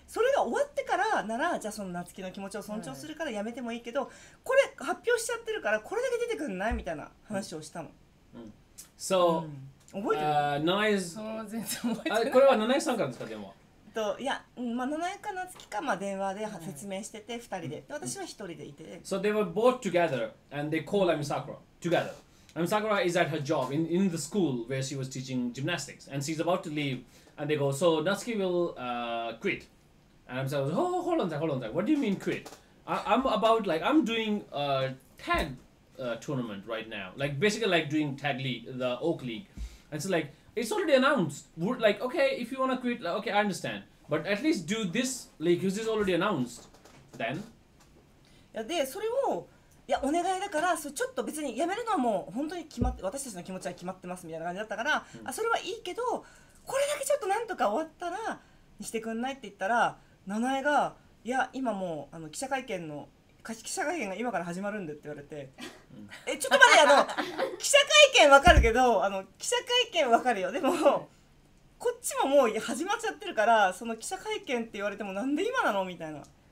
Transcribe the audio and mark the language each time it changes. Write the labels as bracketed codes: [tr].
[ja] それが終わってからなら、じゃあその夏希の気持ちを尊重するからやめてもいいけど、はい、これ発表しちゃってるからこれだけ出てくんないみたいな話をしたの、うん、 [en] So、 [ja] うん、覚えてる、 [en] Nanae is、 [ja] その全然覚えてない、これは Nanae さんからですか、電話と、いや、まあ、Nanae か夏希か、まあ、電話で説明してて、2人で、で私は1人でいて。 [en] So they were both together and they called Ami Sakura together. Ami Sakura is at her job in the school where she was teaching gymnastics and she's about to leave and they go, so Natsuki will quit. And Ami Sakura goes, oh, hold on, what do you mean quit? I'm doing a tag tournament right now, like basically like doing tag league, the Oak League. And she's like,It's already announced. We're like, okay, if you want to quit, like, okay, I understand. But at least do this, like, this is already announced. Then? Yeah, [ja] で、それを、いや、お願いだから、それちょっと別に辞めるのはもう本当に決まって、私たちの気持ちは決まってますみたいな感じだったから、あ、それはいいけど、これだけちょっとなんとか終わったら、にしてくんないって言ったら、七重が、いや、今もう、あの、記者会見の、記者会見が今から始まるんでって言われて、えちょっと待って、あの記者会見わかるけど、あの記者会見わかるよ、でもこっちももう始まっちゃってるから、その記者会見って言われてもなんで今なのみたいな。